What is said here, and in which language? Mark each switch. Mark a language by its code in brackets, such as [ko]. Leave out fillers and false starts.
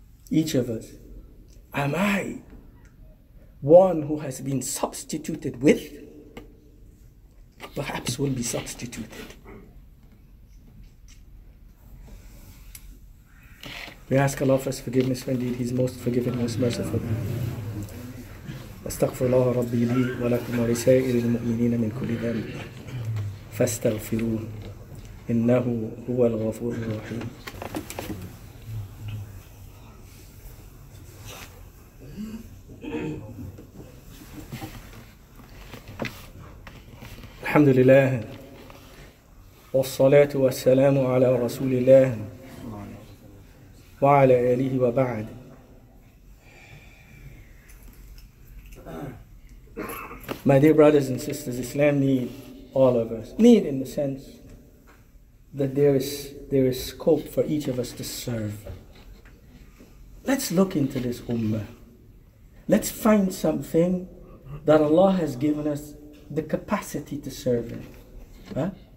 [en] Each of us, am I one who has been substituted with, perhaps will be substituted? We ask Allah for his forgiveness, for indeed he's most forgiving, most merciful. [ar] أستغفر الله ربي لي ولكم ولسائر المؤمنين من كل ذنب فاستغفروه إنه هو الغفور الرحيم. الحمد لله والصلاة والسلام على رسول الله وعلى آله وبعد. [en] My dear brothers and sisters, Islam need all of us. Need in the sense that there is scope for each of us to serve. Let's look into this ummah. Let's find something that Allah has given us the capacity to serve in. Huh?